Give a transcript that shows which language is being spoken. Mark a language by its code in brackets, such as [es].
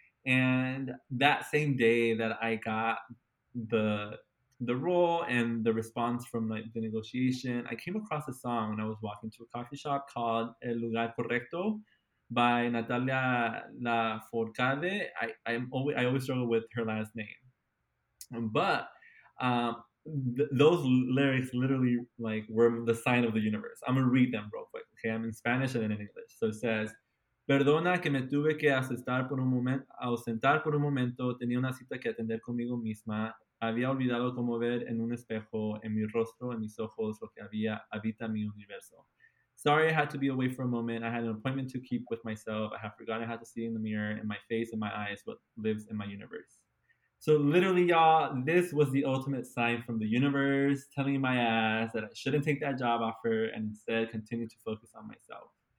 [en] And that same day that I got the role and the response from like, the negotiation, I came across a song when I was walking to a coffee shop called El Lugar Correcto by Natalia Lafourcade. I always struggle with her last name. But those lyrics literally like were the sign of the universe. I'm going to read them real quick. Okay, I'm in Spanish and then in English. So it says, [es] perdona que me tuve que ausentar por un momento. Tenía una cita que atender conmigo misma. Había olvidado cómo ver en un espejo, en mi rostro, en mis ojos, lo que había habita mi universo. [en] Sorry, I had to be away for a moment. I had an appointment to keep with myself. I have forgotten how to see in the mirror, in my face, in my eyes, what lives in my universe. So literally, y'all, this was the ultimate sign from the universe telling my ass that I shouldn't take that job offer and instead continue to focus on myself.